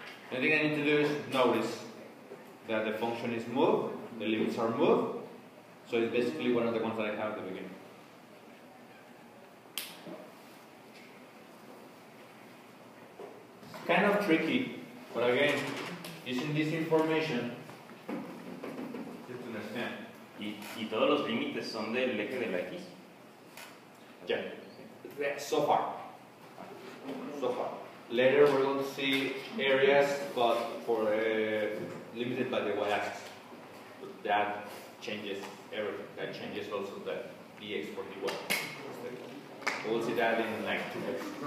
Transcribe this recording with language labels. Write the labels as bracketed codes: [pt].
[en] The thing I need to do is notice that the function is moved, the limits are moved. So it's basically one of the ones that I have at the beginning. It's kind of tricky, but again, using this information, you have to understand. [es] Y todos los límites son del eje de la X? [en] Yeah. So far. Later we're going to see areas, but for limited by the Y axis. But that changes everything. That changes also the dx for dy. We'll see that in like 2 weeks.